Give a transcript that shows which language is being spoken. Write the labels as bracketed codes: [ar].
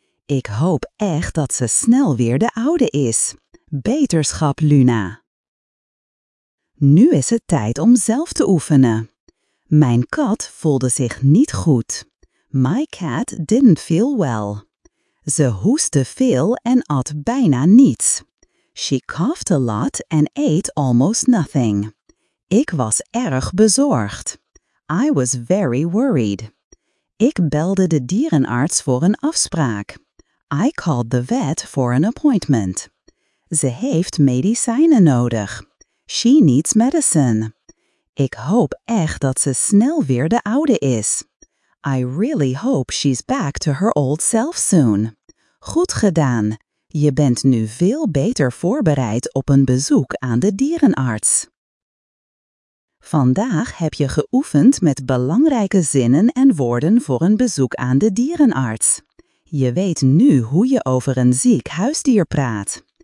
[nl] Ik hoop echt dat ze snel weer de oude is. Beterschap, Luna. Nu is het tijd om zelf te oefenen. Mijn kat voelde zich niet goed. [en] My cat didn't feel well. [nl] Ze hoestte veel en at bijna niets. [en] She coughed a lot and ate almost nothing. [nl] Ik was erg bezorgd. [en] I was very worried. [nl] Ik belde de dierenarts voor een afspraak. [en] I called the vet for an appointment. [nl] Ze heeft medicijnen nodig. [en] She needs medicine. [nl] Ik hoop echt dat ze snel weer de oude is. [en] I really hope she's back to her old self soon. [nl] Goed gedaan. Je bent nu veel beter voorbereid op een bezoek aan de dierenarts. Vandaag heb je geoefend met belangrijke zinnen en woorden voor een bezoek aan de dierenarts. Je weet nu hoe je over een ziek huisdier praat.